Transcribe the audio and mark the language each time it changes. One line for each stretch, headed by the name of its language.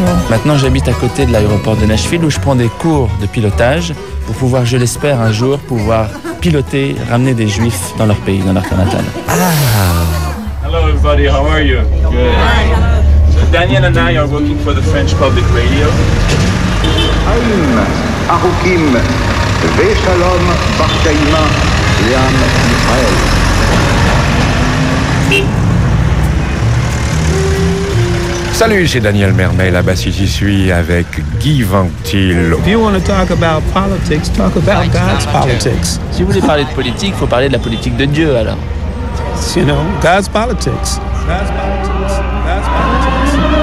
French: Maintenant, j'habite à côté de l'aéroport de Nashville où je prends des cours de pilotage pour pouvoir, je l'espère, un jour, pouvoir piloter, ramener des Juifs dans leur pays, dans leur terre natale.
English: Hello everybody, how are you? Good. So Daniel and I are working for the French Public Radio.
Hebrew: Haim, Arukim, Veshalom, Barkaima, Liam, Israel.
French: Salut, c'est Daniel Mermet, la basse J'y suis avec Guy Van Thillo.
English: If you want to talk about politics, talk about God's politics.
French: Si vous voulez parler de politique, faut parler de la politique de Dieu alors.
English: You know, God's politics. God's politics. God's politics.